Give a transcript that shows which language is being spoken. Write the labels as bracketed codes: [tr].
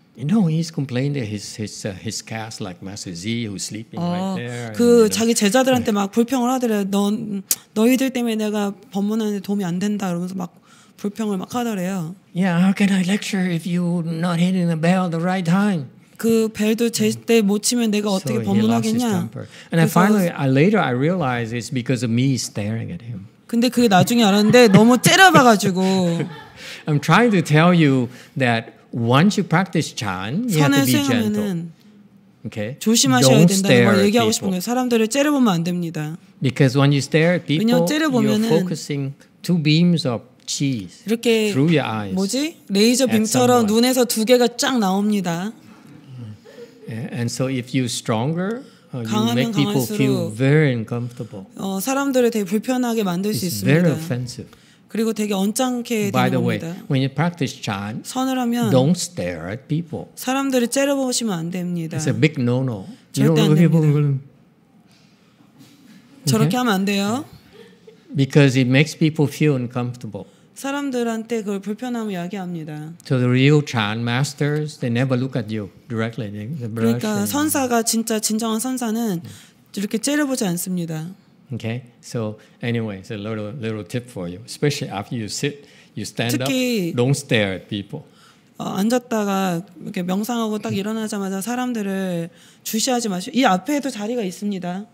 [en] You know, he's complained that his caste, like Master Zi, who's sleeping right there. [ko] 그 and, 자기 제자들한테 막 불평을 하더래. 너희들 때문에 내가 법문하는데 도움이 안 된다. 그러면서 막 불평을 막 하더래요. [en] Yeah, how can I lecture if you're not hitting the bell the right time? [ko] 그 벨도 제때 못 치면 내가 어떻게 법문하겠냐. [en] And I finally, later I realized it's because of me staring at him. [ko] 근데 그게 나중에 알았는데 너무 째려봐가지고. [en] I'm trying to tell you that once you practice Chan, you have to be gentle. Okay. [ko] 조심하셔야 [en] Don't [ko] 된다는 걸 얘기하고 싶은 거예요. 사람들을 째려보면 안 됩니다. [en] Because when you stare at people, you're focusing two beams of cheese through your eyes. [ko] 뭐지? 레이저 빔처럼 눈에서 두 개가 쫙 나옵니다. [en] And so if you stronger, you make people feel very uncomfortable. [ko] 사람들을 되게 불편하게 만들 수 있습니다. [en] It's very offensive. [ko] 그리고 되게 언짢게 [en] By [ko] 되는 [en] way, [ko] 겁니다. [en] When you practice chan, [ko] 선을 하면 [en] don't stare at people. [ko] 사람들을 째려보시면 안 됩니다. [en] It's a big no-no. [ko] 절대 안 됩니다. Okay? 저렇게 하면 안 돼요. [en] Because it makes people feel uncomfortable. [ko] 사람들한테 그걸 불편함을 야기합니다. [en] So the real chan masters, they never look at you directly. [ko] 그러니까 선사가 진짜 진정한 선사는 이렇게 째려보지 않습니다. [en] Okay. So anyway, it's a little tip for you. Especially after you sit, you stand up. Don't stare at people. [ko] 앉았다가 이렇게 명상하고 딱 일어나자마자 사람들을 주시하지 마시고 이 앞에도 자리가 있습니다.